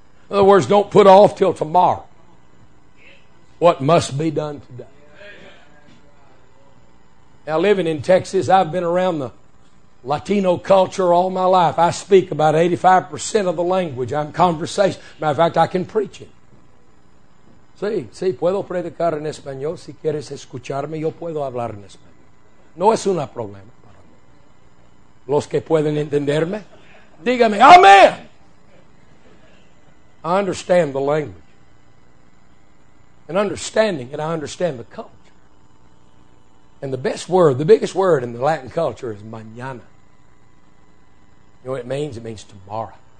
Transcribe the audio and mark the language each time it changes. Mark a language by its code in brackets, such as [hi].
[en] In other words, don't put off till tomorrow. what must be done today. Now, living in Texas, I've been around the Latino culture all my life. I speak about 85% of the language. I'm conversation. Matter of fact, I can preach it. [es] Sí, puedo predicar en español. Si quieres escucharme, yo puedo hablar en español. No es un problema para mí. Los que pueden entenderme, dígame, amén. [en] I understand the language. And understanding it, I understand the culture. And the best word, the biggest word in the Latin culture is mañana. You know what it means? It means tomorrow.